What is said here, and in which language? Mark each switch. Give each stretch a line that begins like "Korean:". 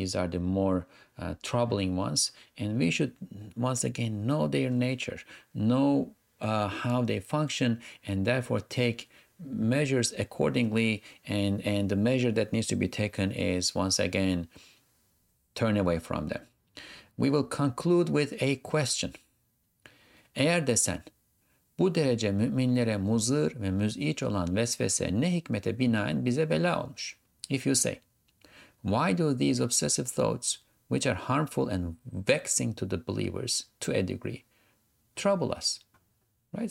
English: These are the more troubling ones, and we should once again know their nature, know how they function, and therefore take measures accordingly. And the measure that needs to be taken is once again turn away from them. We will conclude with a question.
Turkish: Eğer desen, bu derece müminlere muzır ve müz'iç olan vesvese ne hikmete binaen bize bela olmuş?
English: If you say, why do these obsessive thoughts, which are harmful and vexing to the believers to a degree, trouble us? Right?